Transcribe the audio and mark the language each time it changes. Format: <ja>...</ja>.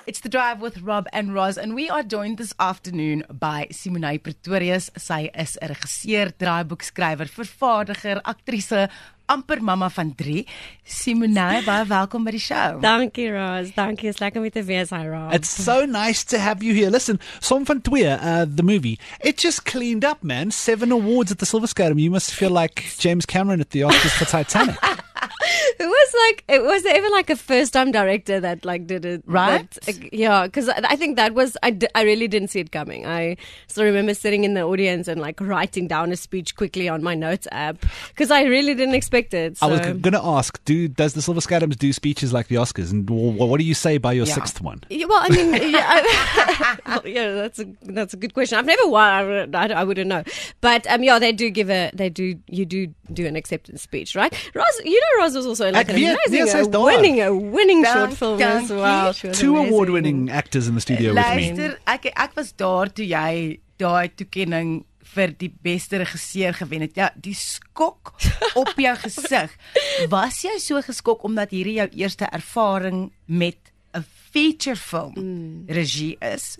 <en>It's The Drive with Rob and Roz, and we are joined this afternoon by Simonay Pretorius.</en> <af>Sy is 'n regisseur, draaiboekskrywer, vervaardiger, aktrise, amper mama van drie. Simonay, baie welkom by die show. Dankie, Roz. Dankie. It's lekker om te wees, hi, Rob.</af> <en>It's so nice to have you here. Listen, Som van Twee, the movie, it just cleaned up, man. 7 awards at the Silver Scarab. You must feel like James Cameron at the Oscars for Titanic. It was even like a first time director that like did it, right? Because I think that was I really didn't see it coming. I still remember sitting in the audience and like writing down a speech quickly on my notes app because I really didn't expect it. So. I was gonna ask, does the Silver Scarabs do speeches like the Oscars? And what do you say by your sixth one? That's a good question. I've never won. I wouldn't know, but you do an acceptance speech, right? Roz, you know Roz was also like a winning short film as well. Two award-winning actors in the studio</en> <af>luister,</af> <en>with me.</en> <af>Luister, ek was daar toe jy daai toekenning vir die beste regisseur gewen het. Ja, die skok op jou gesig. Was jy so geskok omdat hierdie jou eerste ervaring met 'n feature film regie is?</af>